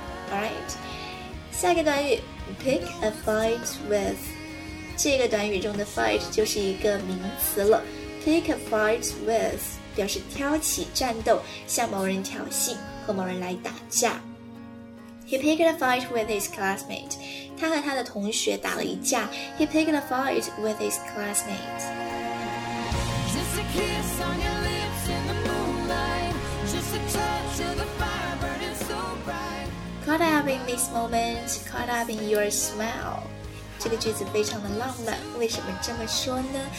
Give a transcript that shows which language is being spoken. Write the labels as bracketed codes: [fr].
[en] Alright， [zh] 下一个短语 pick a fight with， 这个短语中的 fight 就是一个名词了。 Pick a fight with 表示挑起战斗，向某人挑衅，和某人来打架。 [en] He picked a fight with his classmate. [zh] 他和他的同学打了一架。 [en] He picked a fight with his classmate. Just a kiss on your lips in the moonlight. Just a touch of the fire burning so bright. Caught up in this moment, caught up in your smile. [zh] 这个句子非常的浪漫，为什么这么说呢？